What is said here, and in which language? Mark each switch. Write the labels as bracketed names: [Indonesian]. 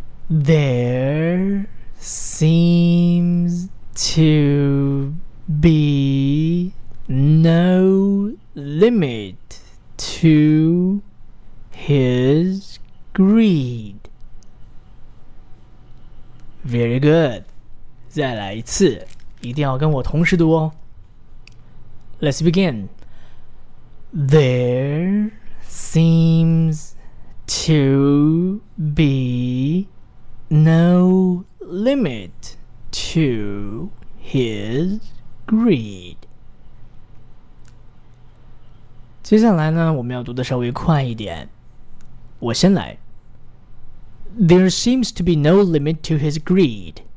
[English] There seems to be no limit to his. Greed. Very good. [Chinese] 再来一次，一定要跟我同时读哦。 [English] Let's begin. There seems to be no limit to his greed. [Chinese] 接下来呢，我们要读的稍微快一点。我先来。 [English] There seems to be no limit to his greed.